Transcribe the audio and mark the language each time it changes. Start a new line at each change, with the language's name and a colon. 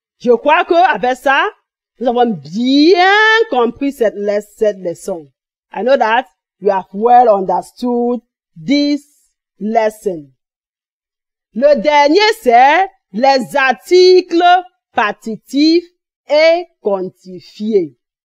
French: Je crois qu'avec ça, nous avons bien compris cette leçon.
English: I know that you have well understood this lesson.
French: Le dernier, c'est les articles partitifs et quantifiés.